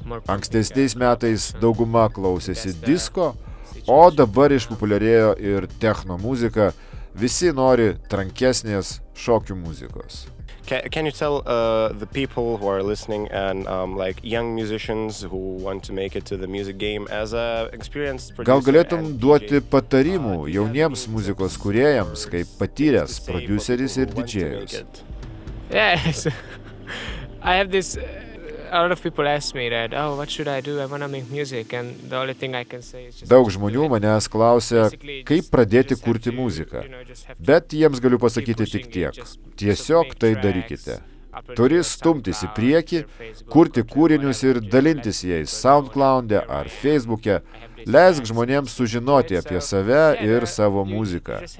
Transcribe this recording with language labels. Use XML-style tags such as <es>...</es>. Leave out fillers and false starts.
<lt>Ankstesniais metais dauguma klausėsi disko, o dabar išpopuliarėjo ir techno muzika. Visi nori trankesnės šokių muzikos.</lt> <en>Can you tell the people who are listening and like young musicians who want to make it to the music game as a experienced producer?</en> <lt>Gal galėtum duoti patarimų jauniems muzikos kūrėjams, kaip patyręs produceris ir didžėjus?</lt> <en>Yes. I have this a lot of people ask me that, oh, what should I do? I want to make music and the only thing I can say is just</en> <lt>daug žmonių manęs klausia, kaip pradėti kurti muziką. Bet jiems galiu pasakyti tik tiek. Tiesiog tai darykite. Turi stumtis į priekį, kurti kūrinius ir dalintis jais SoundCloud'e ar Facebook'e. Leisk žmonėms sužinoti apie save ir savo muziką.</lt>